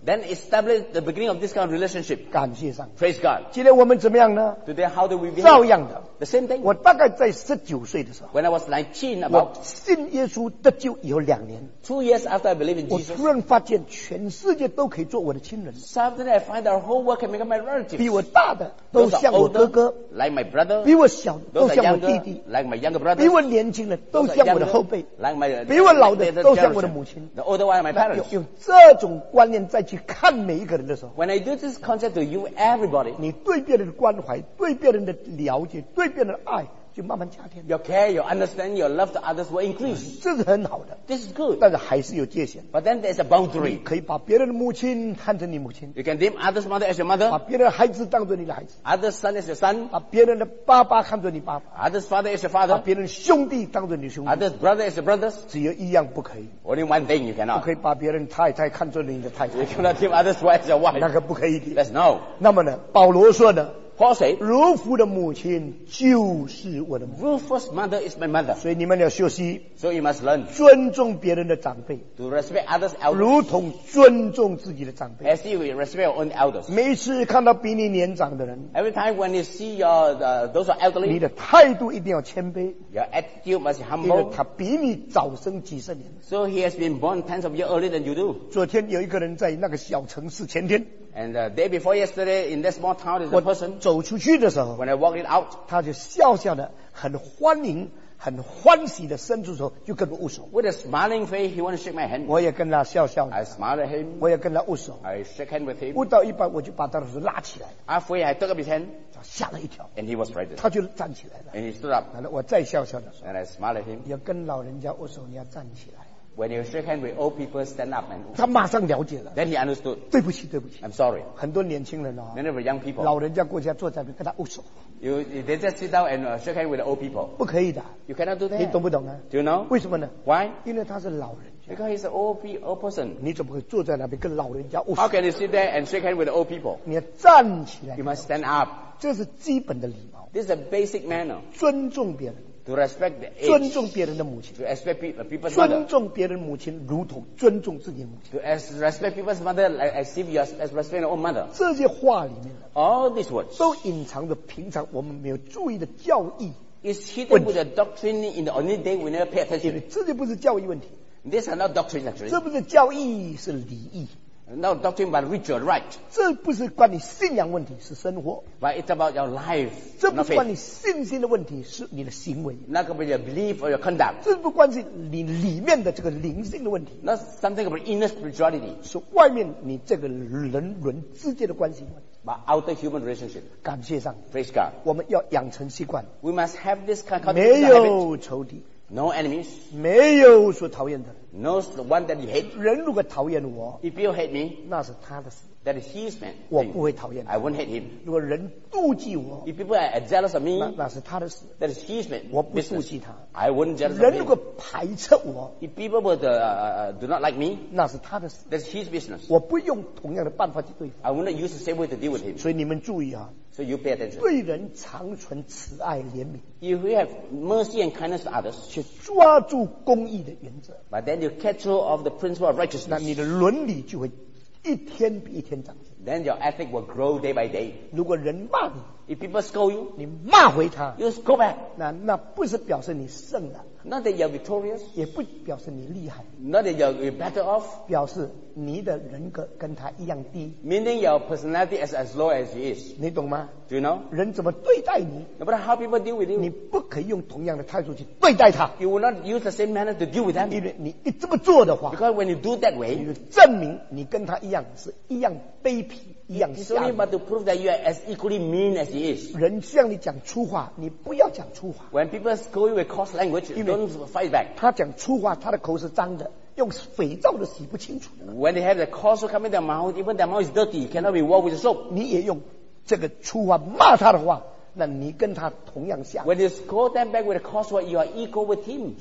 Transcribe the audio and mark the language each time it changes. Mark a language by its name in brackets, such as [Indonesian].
[English] Then establish the beginning of this kind of relationship. [Chinese] 感谢上帝。 [English] Praise God. [Chinese] 今天我们怎么样呢？ [English] Today how do we behave? [Chinese] 照样的。 [English] The same thing. [Chinese] 我大概在19岁的时候。 [English] When I was 19, about. [Chinese] 我信耶稣得救以后两年 [English] 2 years after I believe in Jesus, [Chinese] 我突然发现全世界都可以做我的亲人。 [English] Suddenly I find the whole world can become my relatives. [Chinese] 比我大的都像我哥哥 [English] like my brother. [Chinese] 比我小的都像我弟弟 [English] like my younger brother. [Chinese] 比我年轻的都像我的后辈 [English] like my [Chinese] 比我老的都像我的母亲 [English] the older one my parents. [Chinese] 用这种观念再去看每一个人的时候 [English] when I do this concept to you everybody, [Chinese] 你对别人的关怀对别人的了解对别人的爱就慢慢加添。 [English] Your care, your understanding, your love to others will increase. [Chinese] 这是很好的。 [English] This is good. [Chinese] 但是还是有界限。 [English] But then there's a boundary. [Chinese] 可以把别人的母亲看成你母亲。 [English] You can deem others mother as your mother. [Chinese] 把别人的孩子当作你的孩子。 [English] Others son as your son. [Chinese] 把别人的爸爸看作你爸爸。 [English] Others father as your father. [Chinese] 把别人兄弟当作你兄弟。 [English] Others brother as your brothers. [Chinese] 只有一样不可以。 [English] Only one thing you cannot. [Chinese] 不可以把别人太太看作你的太太。 [English] You cannot deem others wife as your wife. [Chinese] 那个不可以的。 [English] That's no. [Chinese] 那么呢，保罗说呢？ [English] Paul said, [Chinese] 如父的母亲就是我的母亲。 [English] Rufus mother is my mother. [Chinese] 所以你们要学习。 [English] So you must learn. [Chinese] 尊重别人的长辈。 [English] To respect others elders. [Chinese] 如同尊重自己的长辈。 [English] As you respect your own elders. [Chinese] 每次看到比你年长的人。 [English] Every time when you see your, those are elderly. [Chinese] 你的态度一定要谦卑。 [English] Your attitude must be humble. [Chinese] 因为他比你早生几十年。 [English] So he has been born tens of years earlier than you do. [Chinese] 昨天有一个人在那个小城市前天。 [English] And the day before yesterday, in that small town, is a person. [Chinese] 我走出去的时候 [English] when I walked it out, [Chinese] 他就笑笑的，很欢迎，很欢喜的伸出手，就跟我握手。 [English] With a smiling face, he wanted to shake my hand. [Chinese] 我也跟他笑笑。 [English] I smiled at him. [Chinese] 我也跟他握手。 [English] I shook hands with him. [Chinese] 握到一半，我就把他的手拉起来。 [English] Halfway, I took up his hand. [Chinese] 他吓了一跳。 [English] And he was frightened. [Chinese] 他就站起来了。 [English] And he stood up. [Chinese] 然后我再笑笑的说。 [English] And I smiled at him. [Chinese] 要跟老人家握手，你要站起来。 [English] When you shake hands with old people, stand up and. [Chinese] 他马上了解了。 [English] Then he understood. [Chinese] 对不起，对不起。 [English] I'm sorry. [Chinese] 很多年轻人哦。 [English] Many of young people. [Chinese] 老人家过去坐在那边跟他握手。 [English] They just sit down and shake hands with the old people. [Chinese] 不可以的。 [English] You cannot do that. [Chinese] 你懂不懂啊 [English] ？Do you know? [Chinese] 为什么呢 [English] ？Why? [Chinese] 因为他是老人。 [English] Because he's an old person. [Chinese] 你怎么会坐在那边跟老人家握手 [English] ？How can you sit there and shake hands with the old people? [Chinese] 你要站起来。 [English] You must stand up. [Chinese] 这是基本的礼貌。 [English] This is a basic manner. [Chinese] 尊重别人。 [English] To respect the age, [Chinese] 尊重别人的母亲 [English] to respect people's mother, [Chinese] 尊重别人母亲如同尊重自己母亲 [English] to respect people's mother, like, as if you are as respecting your own mother [Chinese] 这些话里面 [English] all these words [Chinese] 都隐藏着平常我们没有注意的教义 [English] is hidden with the doctrine in the only day we never pay attention [Chinese] 这些不是教义问题 [English] these are not doctrine actually [Chinese] 这不是教义是礼仪 [English] not doctrine but ritual right [Chinese] 这不是关你信仰问题是生活 [English] but it's about your life [Chinese] 这不关你信心的问题是你的行为 [English] not about your belief or your conduct [Chinese] 这不关系你里面的这个灵性的问题 [English] not something about inner spirituality [Chinese] 是外面你这个人伦之间的关系 [English] but outer human relationship [Chinese] 感谢上 [English] praise God [Chinese] 我们要养成习惯 [English] we must have this kind of habit [Chinese] 没有仇敌 [English] no enemies [Chinese] 没有所讨厌的 [English] no the one that you hate [Chinese] 人如果讨厌我 [English] if you hate me [Chinese] 那是他的事 [English] That is his man. [Chinese] 我不会讨厌他。 [English] I won't hate him. [Chinese] 如果人妒忌我 [English] ，If people are jealous of me, [Chinese] 那是他的事。 [English] That is his man. [Chinese] 我不妒忌他。 [English] I won't jealous of him. [Chinese] 人如果排斥我 [English] ，If people would do not like me, [Chinese] 那是他的事。 [English] That is his business. [Chinese] 我不用同样的办法去对付。 [English] I won't use the same way to deal with him. [Chinese] 所以你们注意啊。 [English] So you pay attention. [Chinese] 对人常存慈爱怜悯。 [English] If we have mercy and kindness to others, [Chinese] 去抓住公义的原则。 [English] But then you catch hold of the principle of righteousness. [Chinese] 那你的伦理就会。一天比一天长进 [English] then your ethic will grow day by day. [Chinese] 如果人骂你， [English] if people scold you, [Chinese] 你骂回他， [English] you go back. [Chinese] 那不是表示你胜了， [English] not that you're victorious, [Chinese] 也不表示你厉害， [English] not that you're better off, [Chinese] 表示你的人格跟他一样低， [English] meaning your personality is as low as he is. [Chinese] 你懂吗？ [English] Do you know? [Chinese] 人怎么对待你？ [English] But how people deal with you? [Chinese] 你不可以用同样的态度去对待他。 [English] You will not use the same manner to deal with them. [Chinese] 因为你一这么做的话， [English] because when you do that way, [Chinese] 你证明你跟他一样，是一样卑鄙，一样下。 [English] It's only but to prove that you are as equally mean as he is. [Chinese] 人向你讲粗话，你不要讲粗话。 [English] When people scold you with coarse language, don't fight back. [Chinese] 他讲粗话，他的口是脏的，用肥皂都洗不清楚。 [English] When they have the coarse come in their mouth, even their mouth is dirty, cannot be washed with soap. [Chinese] 你也用这个粗话骂他的话，那你跟他同样下。 [English] When you scold them back with a coarse word, you are equal with him.